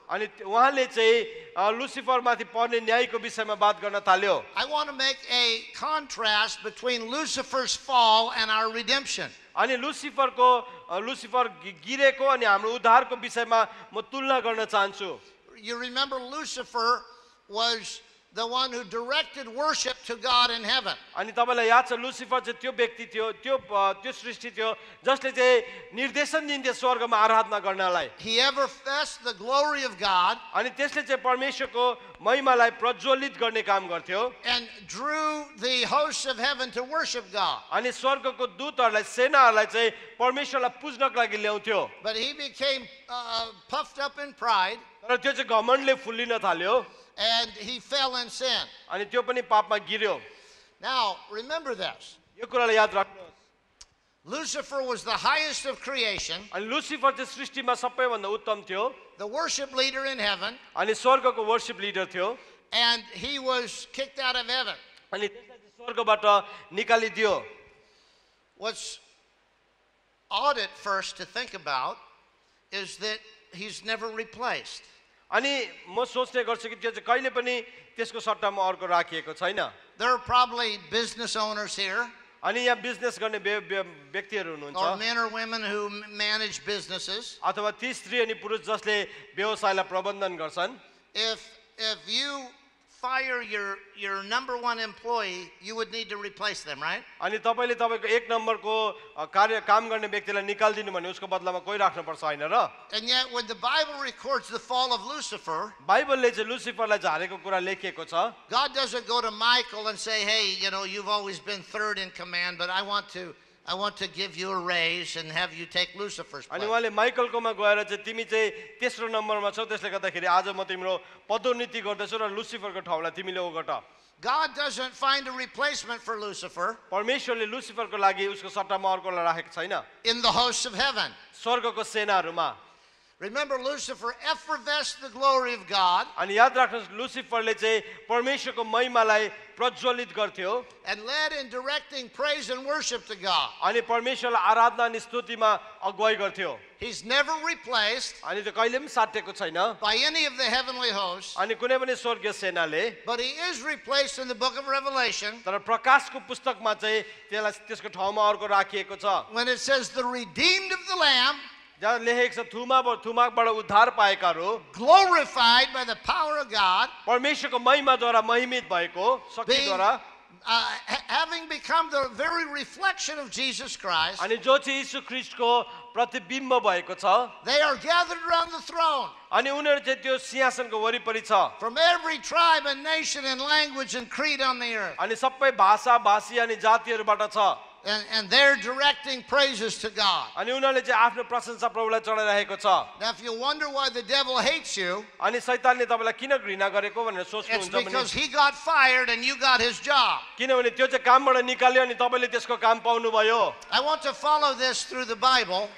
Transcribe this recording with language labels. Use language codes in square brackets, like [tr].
[ne] अनि उहाँले चाहिँ लुसिफर माथि पर्ने न्यायको विषयमा बात गर्न थाल्यो. [en] I want to make a contrast between Lucifer's fall and our redemption. [ne] अनि लुसिफरको लुसिफर गिरेको अनि हाम्रो उद्धारको विषयमा म तुलना गर्न चाहन्छु. [en] You remember Lucifer was the one who directed worship to God in heaven. [ne] अनि तपाईलाई याद छ लुसिफर चाहिँ त्यो व्यक्ति थियो त्यो सृष्टि थियो जसले चाहिँ निर्देशन दिन्थ्यो स्वर्गमा आराधना गर्नलाई. [en] He ever faced the glory of God. [ne] अनि त्यसले चाहिँ परमेश्वरको महिमालाई प्रज्वलित गर्ने काम गर्थ्यो. [en] And drew the hosts of heaven to worship God. [ne] अनि स्वर्गको दूतहरूलाई सेनाहरूलाई चाहिँ परमेश्वरलाई पुज्नको लागि ल्याउँथ्यो. [en] But he became puffed up in pride. [ne] तर त्यो चाहिँ घमण्डले फुल्लिन थाल्यो. [en] And he fell in sin. [ne] अनि त्यो पनि पापमा गिर्यो. [en] Now remember this. [ne] यो कुरालाई याद राख्नुहोस्. [en] Lucifer was the highest of creation. [ne] अनि लुसिफर चाहिँ सृष्टिमा सबैभन्दा उत्तम थियो. [en] The worship leader in heaven. [ne] अनि स्वर्गको [en] worship leader [ne] थियो. [en] And he was kicked out of heaven. [ne] अनि त्यसलाई स्वर्गबाट निकालिदियो. [en] What's audit for us to think about is that he's never replaced. [ne] अनि म सोच्ने गर्छु कि त्यो चाहिँ कहिले पनि त्यसको सट्टामा अर्को राखिएको छैन. [en] There are probably business owners here. [ne] अनि यहाँ बिजनेस गर्ने व्यक्तिहरू हुनुहुन्छ. [en] Or men or women who manage businesses. [ne] अथवा ती स्त्री अनि पुरुष जसले व्यवसायलाई प्रबन्धन गर्छन्. [en] If you fire your number one employee, you would need to replace them, right? [ne] अनि तपाईले तपाईको एक नम्बरको कार्य काम गर्ने व्यक्तिलाई निकालदिनु भने उसको बदलामा कोही राख्न पर्छ हैन र? [en] And yet when the Bible records the fall of Lucifer, [ne] बाइबलले चाहिँ लुसिफरलाई झारेको कुरा लेखिएको छ. [en] God doesn't go to Michael and say, "Hey, you know, you've always been third in command, but I want to give you a raise and have you take Lucifer's place." [ne] अनि उहाँले Michael कोमा गएर चाहिँ तिमी चाहिँ तेस्रो नम्बरमा छौ त्यसले गर्दाखेरि आज म तिम्रो पदोन्नति गर्दछु र लुसिफरको ठाउँलाई तिमीले ओगट. [en] God doesn't find a replacement for Lucifer. [ne] परमेश्वरले लुसिफरको लागि उसको सट्टामा अर्कोलाई राखेको छैन. [en] In the host of heaven. [ne] स्वर्गको सेनाहरुमा. [en] Remember, Lucifer effervesced the glory of God. [ne] अनि याद राख्नुस् लुसिफरले चाहिँ परमेश्वरको महिमालाई प्रज्वलित गर्थ्यो. [en] And led in directing praise and worship to God. [ne] अनि परमेश्वरलाई आराधना अनि स्तुतिमा अगुवाई गर्थ्यो. [en] He's never replaced. [ne] अनि त कहिले पनि साटेको छैन. [en] By any of the heavenly hosts. [ne] अनि कुनै पनि स्वर्गीय सेनाले. [en] But he is replaced in the book of Revelation. [ne] तर प्रकाशको पुस्तकमा चाहिँ त्यसलाई त्यसको ठाउँमा अर्को राखिएको छ. [en] When it says the redeemed of the Lamb. [ne] जहाँ लेखेको छ थुमाकबाट उद्धार पाएकाहरू [en] glorified by the power of God, [ne] परमेश्वरको महिमाद्वारा महिमित भएको शक्तिद्वारा, [en] having become the very reflection of Jesus Christ, [ne] अनि जो चाहिँ यीशु ख्रीष्टको प्रतिबिम्ब भएको छ, [en] they are gathered around the throne, [ne] अनि उनीहरू चाहिँ त्यो सिंहासनको वरिपरि छ, [en] from every tribe and nation and language and creed on the earth, [ne] अनि सबै भाषा भाषी अनि जातिहरूबाट छ. [en] And they're directing praises to God. Now, if you wonder why the devil hates you, it's because he got fired and you got his job. I want to follow this through the Bible.